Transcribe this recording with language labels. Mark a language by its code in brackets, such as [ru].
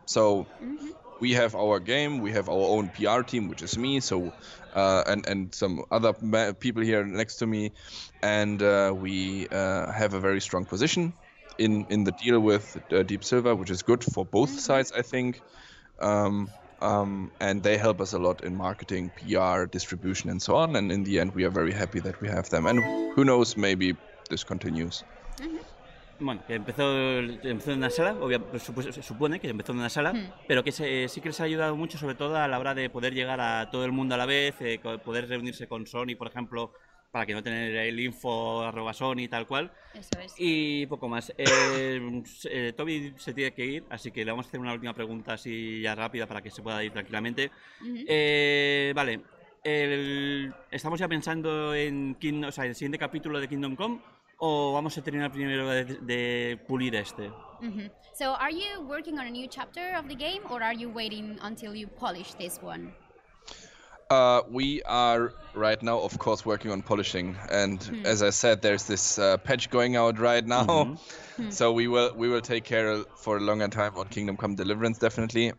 [en] So we have our game, we have our own PR team, which is me, so and some other people here next to me, and we have a very strong position in the deal with Deep Silver, which is good for both sides, I think. And they help us a lot in marketing, PR, distribution, and so on. And in the end, we are very happy that we have them. And who knows, maybe this continues. [es] Bueno, que empezó en una sala, supone que empezó en una sala, pero que sí que les ha ayudado mucho, sobre todo a la hora de poder llegar a todo el mundo a la vez, poder reunirse con Sony, por ejemplo, para que no tener el info@Sony tal cual. Eso es. Y poco más. Toby se tiene que ir, así que le vamos a hacer una última pregunta así ya rápida para que se pueda ir tranquilamente. Uh-huh. Vale, estamos ya pensando en el siguiente capítulo de Kingdom Come. ¿O vamos a terminar primero de pulir este? Mm-hmm. [en] So, are you working on a new chapter of the game, or are you waiting until you polish this one? We are right now, of course, working on polishing. And as I said, there's this patch going out right now. Mm-hmm. So we will take care for a longer time on Kingdom Come Deliverance, definitely.